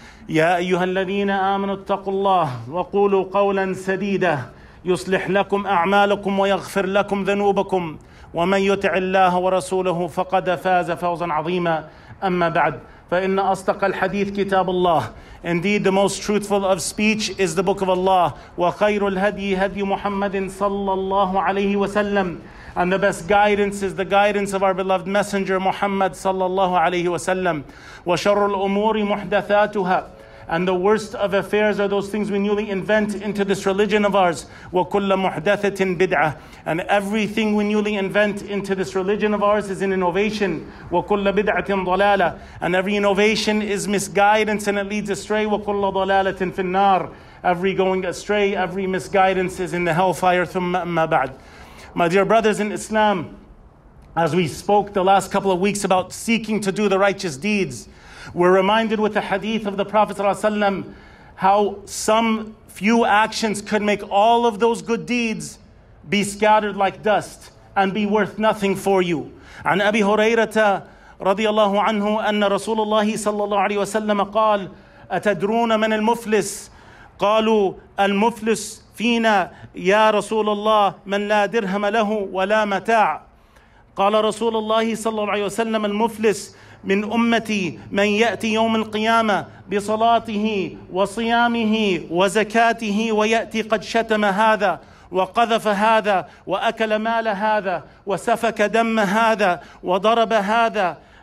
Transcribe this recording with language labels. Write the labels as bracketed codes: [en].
[ar] يا أيها الذين آمنوا اتقوا الله وقولوا قولا سديدا يصلح لكم أعمالكم ويغفر لكم ذنوبكم، ومن يطع الله ورسوله فقد فاز فوزا عظيما. أما بعد، فإن أصدق الحديث كتاب الله. [en] Indeed, the most truthful of speech is the book of Allah. [ar] وخير الهدي هدي محمد صلى الله عليه وسلم. [en] And the best guidance is the guidance of our beloved messenger Muhammad [ar] صلى الله عليه وسلم. وشر الأمور محدثاتها. [en] And the worst of affairs are those things we newly invent into this religion of ours. [ar] وَكُلَّ مُحْدَثَةٍ بِدْعَةٍ. [en] And everything we newly invent into this religion of ours is an innovation. [ar] وَكُلَّ بِدْعَةٍ ضَلَالَةٍ. [en] And every innovation is misguidance and it leads astray. [ar] وَكُلَّ ضَلَالَةٍ فِي النَّارِ. [en] Every going astray, every misguidance is in the hellfire. [ar] ثُمَّ أَمَّا بَعْدٍ. [en] My dear brothers in Islam, as we spoke the last couple of weeks about seeking to do the righteous deeds, we're reminded with the hadith of the Prophet ﷺ how some few actions could make all of those good deeds be scattered like dust and be worth nothing for you. [ar] عن أبي هريرة رضي الله عنه أن رسول الله صلى الله عليه وسلم قال أتدرون من المفلس؟ قالوا المفلس فينا يا رسول الله من لا درهم له ولا متاع. قال رسول الله صلى الله عليه وسلم المفلس من أمتي من يأتي يوم القيامة بصلاته وصيامه وزكاته ويأتي قد شتم هذا وقذف هذا وأكل مال هذا وسفك دم هذا وضرب هذا